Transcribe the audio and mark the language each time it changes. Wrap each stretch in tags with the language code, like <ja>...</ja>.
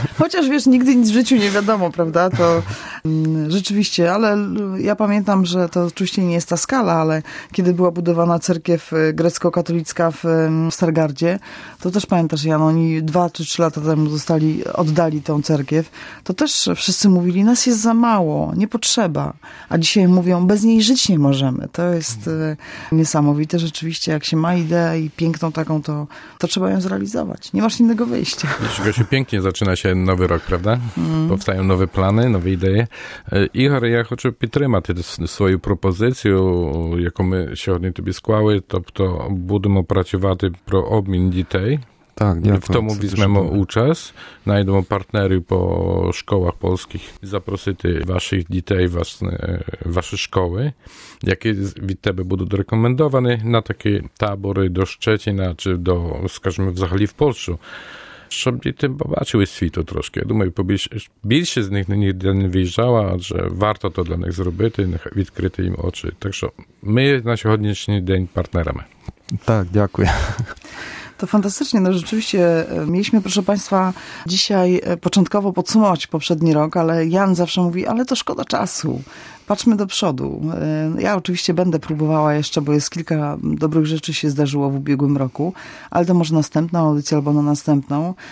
<uk>Хоча ж, віж, ніколи в житті не відомо, правда, то речовіще, але я пам'ятам, що то, очевидно, не є та скала, але коли була будована церков грецько-католицька в Старгарді, то теж пам'ятаєш, Ян, вони 2 чи 3 роки тому зостали, віддали</uk> <pl>tą cerkiew, to też wszyscy mówili, nas jest za mało, nie potrzeba. A dzisiaj mówią, bez niej żyć nie możemy. To jest niesamowite rzeczywiście, jak się ma ideę i piękną taką, to trzeba ją zrealizować. Nie masz innego wyjścia. Jeśli się pięknie zaczyna się nowy rok, prawda? Powstają nowe plany, nowe idee.</pl> <uk>Igor,</uk> <pl>ja chcę podtrzymać swoją propozycję, jaką my</pl> <uk>сьогодні тобі склали, тобто будемо працювати про обмін дітей. Так, дякую. В тому візьмемо участь, знайдемо партнерів по школах польських, запросити ваших дітей, ваші школи, які від тебе будуть рекомендовані на такі табори до Щетина, чи до, скажімо, взагалі в Польщу, щоб діти побачили світу трошки. Я думаю, більше з них ніде не виїжджала, адже варто то для них зробити, відкрити їм очі. Так що ми на сьогоднішній день партнерами. Так, дякую.</uk> <pl>To fantastycznie, no rzeczywiście mieliśmy, proszę Państwa, dzisiaj początkowo podsumować poprzedni rok, ale Jan zawsze mówi, ale to szkoda czasu, patrzmy do przodu. Ja oczywiście będę próbowała jeszcze, bo jest kilka dobrych rzeczy się zdarzyło w ubiegłym roku, ale to może następną audycję albo na następną.</pl>